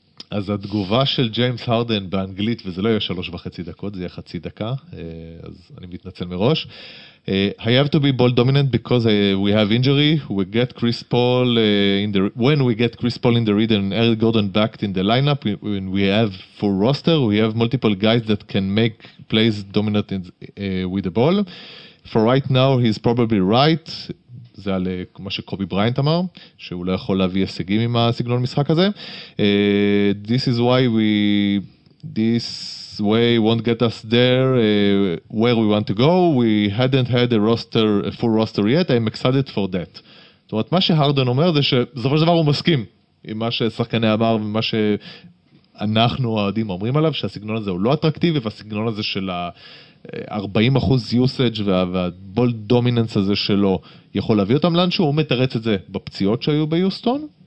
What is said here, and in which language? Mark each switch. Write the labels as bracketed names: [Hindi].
[Hebrew] אז התגובה של ג'יימס הרדן באנגלית, וזה לא יהיה 3.5 דקות, זה יהיה 0.5 דקה, אז אני מתנצל מראש. [English] I have to be ball dominant because we have injury. We get Chris Paul in the when we get Chris Paul in the read and Eric Gordon backed in the lineup. When we have full roster, we have multiple guys that can make plays dominant in, with the ball. For right now, he's probably right. [Hebrew] זה על מה שקובי בריינט אמר, שהוא לא יכול להביא הישגים עם הסגנון המשחק הזה. [English] This is why this way won't get us there where we want to go. We hadn't had a full roster yet. I'm excited for that. [Hebrew] זאת אומרת, מה שהרדן אומר זה שבסופו של דבר הוא מסכים עם מה ששחקני אמר ומה שאנחנו העדים אומרים עליו, שהסגנון הזה הוא לא אטרקטיבי, והסגנון הזה של ה... 40% usage והבול דומיננס הזה שלו יכול להביא אותם לאנשהו, הוא מתרץ את זה בפציעות שהיו ביוסטון.